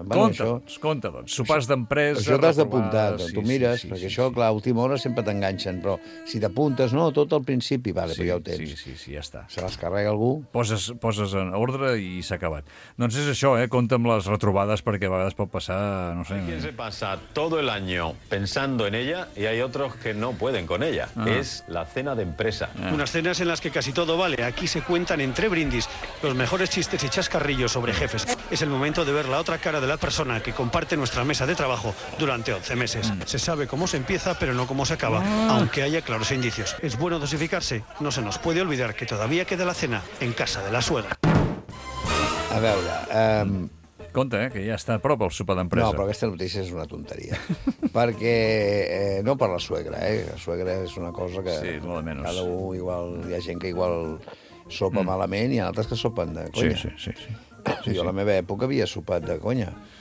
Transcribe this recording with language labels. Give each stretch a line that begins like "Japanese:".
Catalan: Compte, doncs. Sopars d'empresa... Això t'has d'apuntar, tu mires. Sí, perquè això, clar, a última hora sempre t'enganxen. Però si t'apuntes, no, tot al principi, vale, però ja ho tens. Sí, ja està. Se les carrega algú. Poses en ordre i s'ha acabat. Doncs és això, eh? Compte amb les retrobades, perquè a vegades pot passar, no sé...
Spanish: Hay quien se pasa todo el año pensando en ella y hay otros que no pueden con ella. Ah. Es la cena de empresa. Ah. Unas cenas en las que casi todo vale. Aquí se cuentan entre brindis los mejores chistes y chascarrillos sobre jefes. Es el momento de ver la otra cara de la persona que comparte nuestra mesa de trabajo durante 11 meses. Mm. Se sabe cómo se empieza, pero no cómo se acaba, aunque haya claros indicios. Es bueno dosificarse. No se nos puede olvidar que todavía queda la cena en casa de la suegra.
Catalan: A veure... Compte, que ja està a prop el sopar d'empresa. No, però aquesta notícia és una tonteria. Perquè, no per la suegra, La suegra és una cosa que... Sí, molt de menys. Cada un igual... Hi ha gent que igual sopa malament i hi ha altres que sopen de conya. Sí. Jo a la meva època havia sopat de conya.